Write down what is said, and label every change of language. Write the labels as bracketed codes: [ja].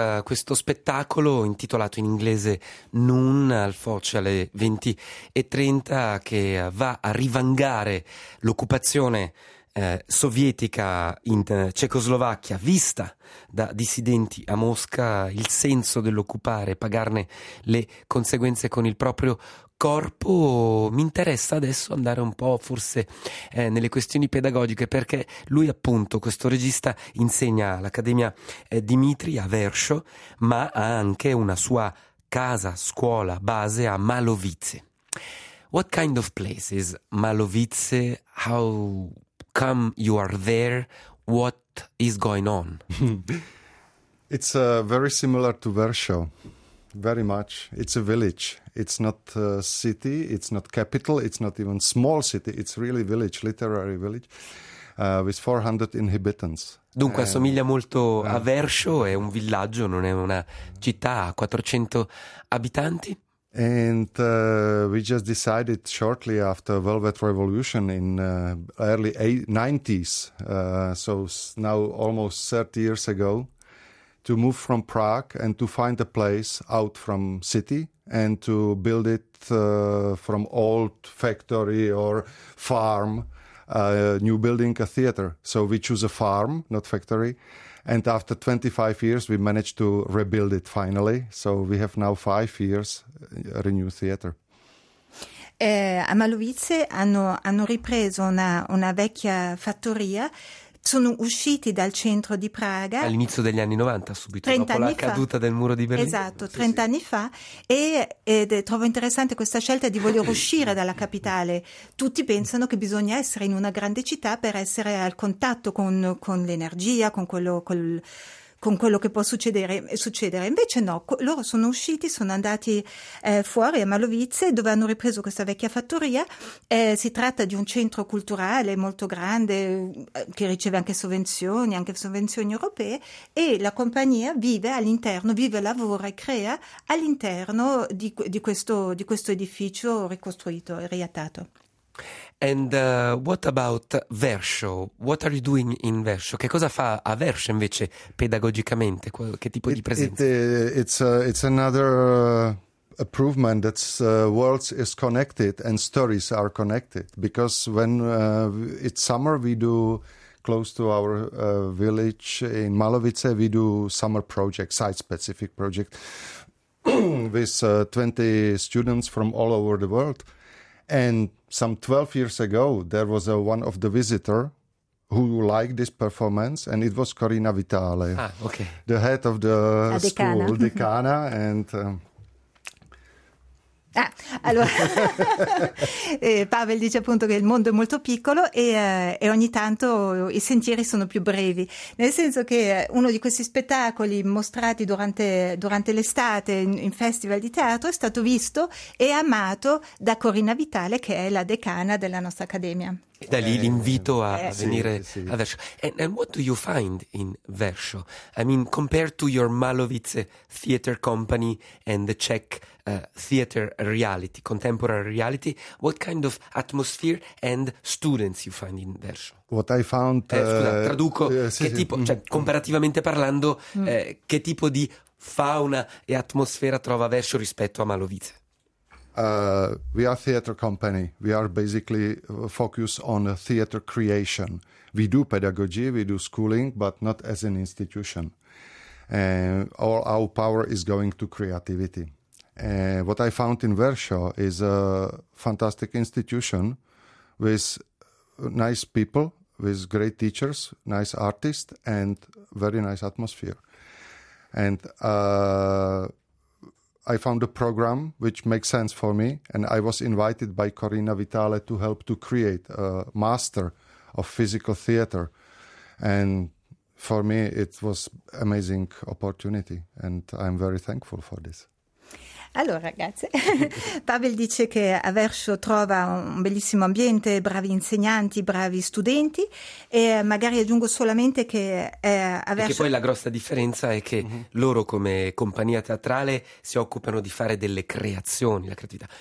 [it] Questo spettacolo, intitolato in inglese Noon, al Foce alle 20:30, che va a rivangare l'occupazione sovietica in Cecoslovacchia, vista da dissidenti a Mosca, il senso dell'occupare, pagarne le conseguenze con il proprio corpo. Mi interessa adesso andare un po' forse nelle questioni pedagogiche, perché lui, appunto, questo regista, insegna all'Accademia Dimitri a Verso, ma ha anche una sua casa, scuola, base a Malovice. [en] What kind of place is Malovice? How come you are there? What is going on? It's very similar to Verso, very much. It's a village. It's not a city. It's not capital. It's not even small city. It's really village, literary village, with 400 inhabitants. [it] Dunque assomiglia molto a Verso. È un villaggio, non è una città, a 400 abitanti. [en] And we just decided shortly after Velvet Revolution in early 90s, so now almost 30 years ago, to move from Prague and to find a place out from city and to build it from old factory or farm, new building, a theater. So we choose a farm, not factory. And after 25 years, we managed to rebuild it finally. So we have now 5 years renew theater. [it] A Malovice hanno ripreso una vecchia fattoria. Sono usciti dal centro di Praga all'inizio degli anni 90, subito dopo la caduta del muro di Berlino. Esatto, 30 anni fa. Ed trovo interessante questa scelta di voler uscire dalla capitale. Tutti pensano che bisogna essere in una grande città per essere al contatto con l'energia, con quello che può succedere. Invece no, loro sono usciti, sono andati fuori a Malovice, dove hanno ripreso questa vecchia fattoria. Si tratta di un centro culturale molto grande, che riceve anche sovvenzioni europee, e la compagnia vive, lavora e crea all'interno di questo edificio ricostruito e riattato. [en] And what about Verso? What are you doing in Verso? [it] Che cosa fa a Verso invece pedagogicamente? Che tipo di presenza? [en] It's another improvement that worlds is connected and stories are connected, because when it's summer, we do close to our village in Malovice, we do summer project, site-specific project with 20 students from all over the world. And some 12 years ago, there was one of the visitors who liked this performance, and it was Corina Vitale, the head of the school, decana, and... [it] Allora, Pavel dice appunto che il mondo è molto piccolo e ogni tanto i sentieri sono più brevi, nel senso che uno di questi spettacoli mostrati durante l'estate in festival di teatro è stato visto e amato da Corina Vitale, che è la decana della nostra accademia. E da lì l'invito a venire a Verso. [en] And what do you find in Verso? I mean, compared to your Malovice Theatre Company and the Czech theater reality, contemporary reality, what kind of atmosphere and students you find in Verso? What I found... [it] Comparativamente parlando, che tipo di fauna e atmosfera trova Verso rispetto a Malovice? [en] We are a theater company. We are basically focused on theater creation. We do pedagogy, we do schooling, but not as an institution. All our power is going to creativity. What I found in Verso is a fantastic institution with nice people, with great teachers, nice artists, and very nice atmosphere. And I found a program which makes sense for me, and I was invited by Corina Vitale to help to create a master of physical theater. And for me, it was an amazing opportunity, and I'm very thankful for this. [it] Allora, grazie. Pavel dice che a Verso trova un bellissimo ambiente, bravi insegnanti, bravi studenti, e magari aggiungo solamente che a Verso... E che poi la grossa differenza è che loro come compagnia teatrale si occupano di fare delle creazioni, la creatività.